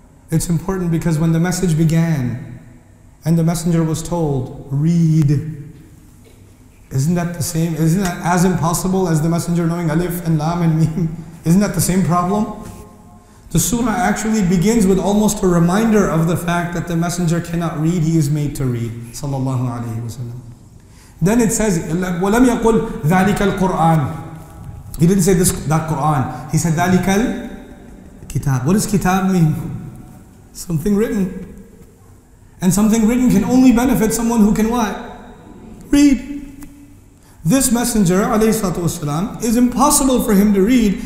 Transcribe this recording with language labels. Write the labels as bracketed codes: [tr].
[en] It's important because when the message began and the messenger was told, read, isn't that the same? Isn't that as impossible as the messenger knowing alif and lam and meem? Isn't that the same problem? The surah actually begins with almost a reminder of the fact that the messenger cannot read, he is made to read, sallallahu alaihi wasallam. [ar] Then it says, وَلَمْ يَقُلْ ذَلِكَ الْقُرْآنِ. [en] He didn't say this, that Qur'an. He said, [ar] ذَلِكَ الْكِتَابِ. [en] What does kitab mean? Something written. And something written can only benefit someone who can what? Read. This messenger, alayhi salatu wasalam, is impossible for him to read.